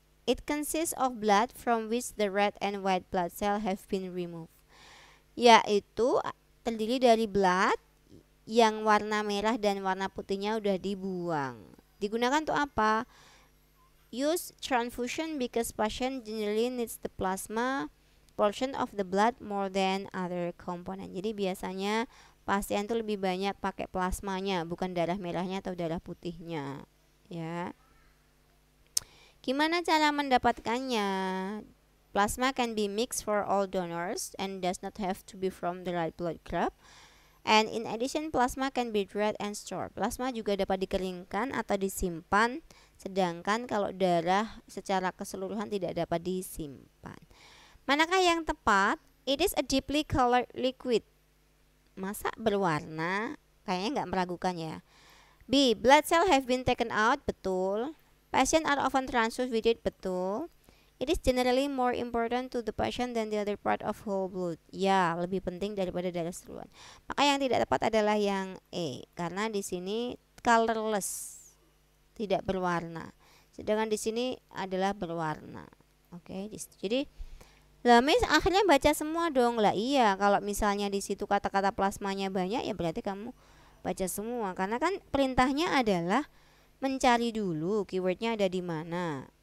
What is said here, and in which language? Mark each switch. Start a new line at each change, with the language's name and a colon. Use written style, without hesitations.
English: It consists of blood from which the red and white blood cell have been removed.
Indonesian: Yaitu terdiri dari blood yang warna merah dan warna putihnya udah dibuang. Digunakan untuk apa?
English: Use transfusion because patient generally needs the plasma portion of the blood more than other component.
Indonesian: Jadi biasanya pasien tuh lebih banyak pakai plasmanya, bukan darah merahnya atau darah putihnya, ya. Gimana cara mendapatkannya?
English: Plasma can be mixed for all donors and does not have to be from the right blood group. And in addition, plasma can be dried and stored.
Indonesian: Plasma juga dapat dikeringkan atau disimpan, sedangkan kalau darah secara keseluruhan tidak dapat disimpan. Manakah yang tepat?
English: It is a deeply colored liquid.
Indonesian: Masa berwarna? Kayaknya nggak meragukan ya. B.
English: Blood cell have been taken out.
Indonesian: Betul.
English: Patients are often transfused with it. Betul. It is generally more important to the patient than the other part of whole blood.
Indonesian: Ya, lebih penting daripada darah keseluruhan. Maka yang tidak tepat adalah yang E, karena di sini colorless, tidak berwarna. Sedangkan di sini adalah berwarna. Oke, okay, jadi lah mis akhirnya baca semua dong. Lah iya, kalau misalnya di situ kata-kata plasmanya banyak ya berarti kamu baca semua, karena kan perintahnya adalah mencari dulu keywordnya ada di mana.